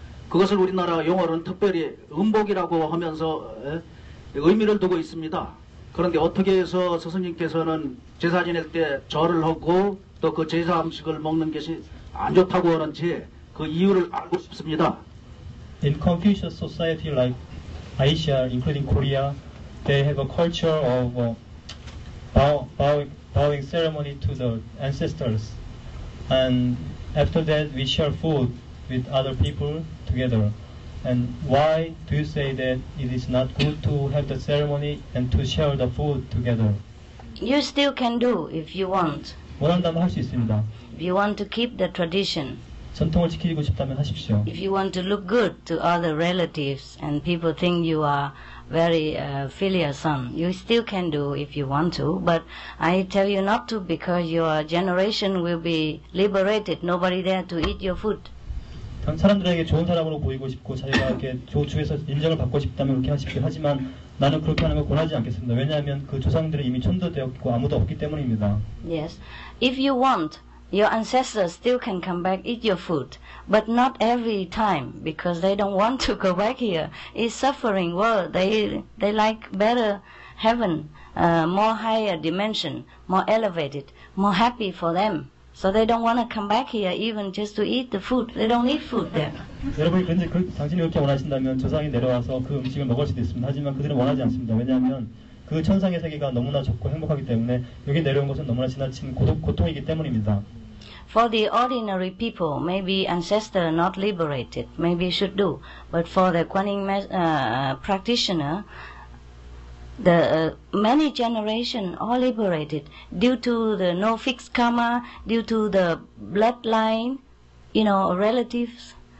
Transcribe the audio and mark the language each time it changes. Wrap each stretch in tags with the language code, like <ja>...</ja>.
<ko>그것을 우리나라 용어로는 특별히 음복이라고 하면서 의미를 두고 있습니다. 그런데 어떻게 해서 스승님께서는 제사 지낼 때 절을 하고 또 그 제사 음식을 먹는 것이 안 좋다고 하는지 그 이유를 알고 싶습니다.</ko> <en>In Confucian society like Asia, including Korea, they have a culture of bowing ceremony to the ancestors. And after that, we share food with other people together. And why do you say that it is not good to have the ceremony and to share the food together? You still can do if you want.</en> <ko>원한다면 할 수 있습니다.</ko> <en>If you want to keep the tradition.</en> <ko>전통을 지키고 싶다면 하십시오.</ko> <en>If you want to look good to other relatives and people think you are very filial son, you still can do if you want to. But I tell you not to because your generation will be liberated. Nobody there to eat your food.</en> <ko>사람들에게 좋은 사람으로 보이고 싶고 자기가 이렇게 조주에서 인정을 받고 싶다면 그렇게 하십시오. 하지만 나는 그렇게 하는 걸 권하지 않겠습니다. 왜냐하면 그 조상들은 이미 천도되었고 아무도 없기 때문입니다.</ko> <en>Yes. If you want, your ancestors still can come back, eat your food. But not every time, because they don't want to go back here. It's suffering world. They like better heaven, more higher dimension, more elevated, more happy for them. So they don't want to come back here even just to eat the food. They don't need food there.</en> <ko>여러분이 그런지 당신이 그렇게 원하신다면 조상이 내려와서 그 음식을 먹을 수도 있습니다. 하지만 그들은 원하지 않습니다. 왜냐하면 그 천상의 세계가 너무나 좁고 행복하기 때문에 여기 내려온 것은 너무나 지나친 고통이기 때문입니다.</ko> <en>For the ordinary people, maybe ancestors not liberated, maybe should do. But for the Guanyin practitioner, the many generations all liberated due to the no fixed karma, due to the bloodline, you know, relatives.</en>